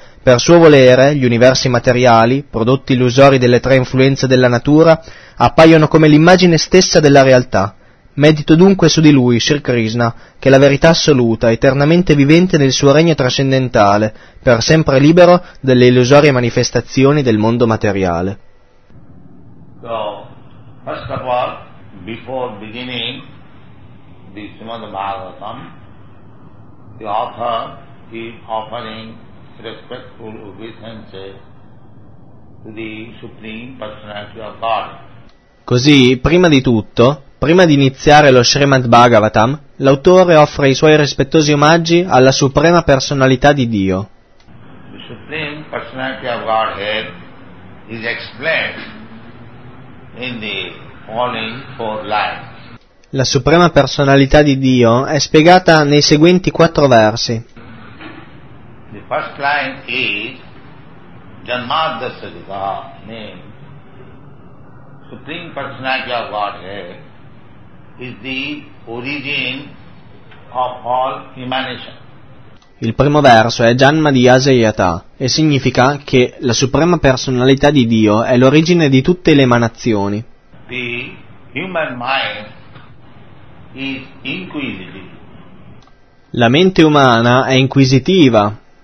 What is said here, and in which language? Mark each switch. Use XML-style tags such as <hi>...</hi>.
<it>Per suo volere, gli universi materiali, prodotti illusori delle tre influenze della natura, appaiono come l'immagine stessa della realtà. Medito dunque su di lui, Sri Krishna, che è la verità assoluta, eternamente vivente nel suo regno trascendentale, per sempre libero dalle illusorie manifestazioni del mondo materiale.</it> <en>So, first of all, before beginning the Srimad Bhagavatam, the author is offering respectful obeisance to the Supreme Personality of God.</en> <it>Così, prima di tutto, prima di iniziare lo Srimad Bhagavatam, l'autore offre i suoi rispettosi omaggi alla Suprema Personalità di Dio.</it> <en>The Supreme Personality of Godhead is explained in the following four lines.</en> <it>La Suprema Personalità di Dio è spiegata nei seguenti quattro versi.</it> <en>The first line is Janmadasya Jatu, name. Supreme Personality of Godhead is the origin of all emanation.</en> <it>Il primo verso è Janma di Asayata e significa che la suprema personalità di Dio è l'origine di tutte le emanazioni.</it> <en>The human mind is inquisitive.</en> <it>La mente umana è inquisitiva.</it>